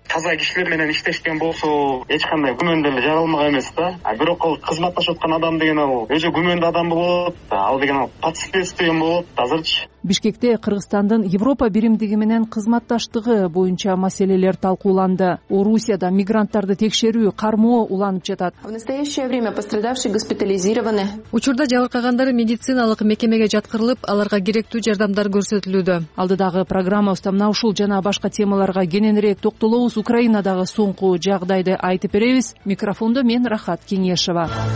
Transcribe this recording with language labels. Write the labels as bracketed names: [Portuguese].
[Kyrgyz] Таза кишилер менен иштешкен болсо эч кандай күмөн деле жаралмага эмес да. Бирок ал кызматташкан адам деген ал өзү күмөндүү адам болот, ал деген ал пацифист деген болот азырчы. Бишкекте Кыргызстандын Европа биримдиги менен кызматташтыгы боюнча маселелер талкууланды. Орусияда мигранттарды текшерүү кармоо уланып жатат. [Russian] В настоящее время пострадавшие госпитализированы. [Kyrgyz] Учурда жабыркагандар медициналык мекемеге жаткырылып, аларга керектүү жардамдар көрсөтүлүүдө. Алдыдагы программабызда мына ушул жана башка темаларга кененирээк токтолобуз. Украинадагы соңку жагдайды айтып беребиз. Микрофондо мен Рахат Кеңешова.